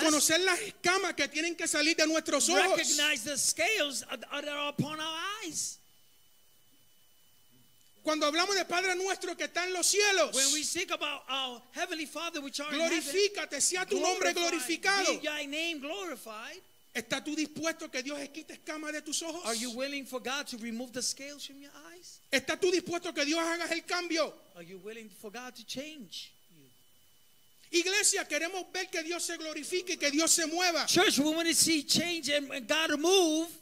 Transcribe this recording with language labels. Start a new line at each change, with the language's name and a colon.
Spanish: Reconocer las escamas que tienen que salir de nuestros ojos.
English: Recognize the scales that are upon our eyes.
Spanish: Cuando hablamos de Padre nuestro que está en los cielos,
English: when we speak about our Heavenly Father which are in heaven,
Spanish: glorifícate, sea tu nombre glorificado.
English: Be thy name glorified.
Spanish: ¿Estás tú dispuesto que Dios quite escamas de tus ojos?
English: Are you willing for God to remove the scales from your eyes?
Spanish: ¿Estás tú dispuesto que Dios haga el cambio?
English: Are you willing for God to change you?
Spanish: Iglesia, queremos ver que Dios se glorifique y que Dios se mueva.
English: Church, we want to see change and God move.